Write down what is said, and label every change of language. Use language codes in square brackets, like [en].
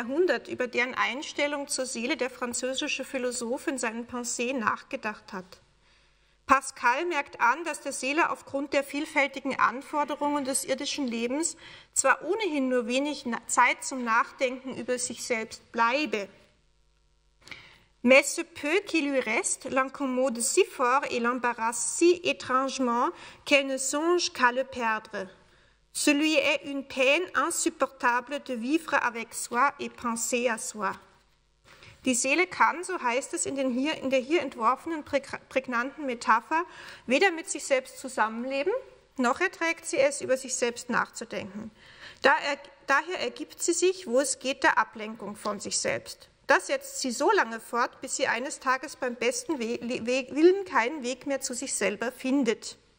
[de] Jahrhundert, über deren Einstellung zur Seele der französische Philosoph in seinen Pensées nachgedacht hat. Pascal merkt an, dass der Seele aufgrund der vielfältigen Anforderungen des irdischen Lebens zwar ohnehin nur wenig Zeit zum Nachdenken über sich selbst bleibe. [fr] Mais ce peu qui lui reste l'incommode si fort et l'embarrasse si étrangement qu'elle ne songe qu'à le perdre. Ce lui est une peine insupportable de vivre avec soi et penser à soi. [de] Die Seele kann, so heißt es in der hier entworfenen prägnanten Metapher, weder mit sich selbst zusammenleben, noch erträgt sie es, über sich selbst nachzudenken. Daher ergibt sie sich, wo es geht, der Ablenkung von sich selbst. Das setzt sie so lange fort, bis sie eines Tages beim besten Willen keinen Weg mehr zu sich selber findet.